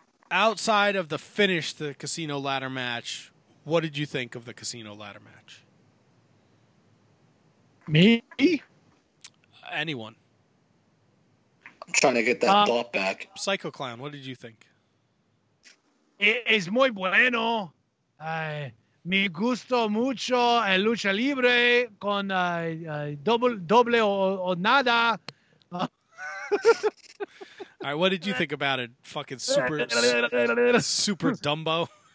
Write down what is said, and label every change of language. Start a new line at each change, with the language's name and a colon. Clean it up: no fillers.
English: Outside of the finish, the casino ladder match, what did you think of the casino ladder match? Me? Anyone. I'm trying to get that thought back. Psycho Clown, what did you think?
Spanish: Es muy bueno. Me gusto mucho el lucha libre con doble o nada.
English: All right, what did you think about it, fucking super super Dumbo?